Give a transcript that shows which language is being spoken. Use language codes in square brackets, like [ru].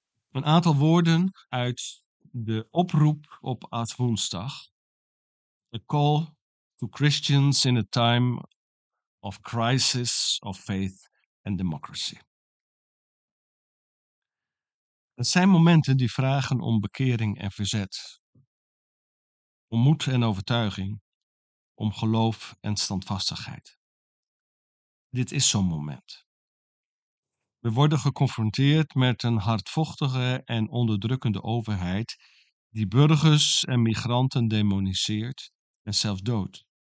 [nl] Een aantal woorden uit de oproep op Ad Woensdag. [en] A call to Christians in a time of crisis of faith and democracy. [nl] Het zijn momenten die vragen om bekering en verzet. Om moed en overtuiging. Om geloof en standvastigheid. Dit is zo'n moment. We worden geconfronteerd met een hardvochtige en onderdrukkende overheid die burgers en migranten demoniseert en zelfs doodt.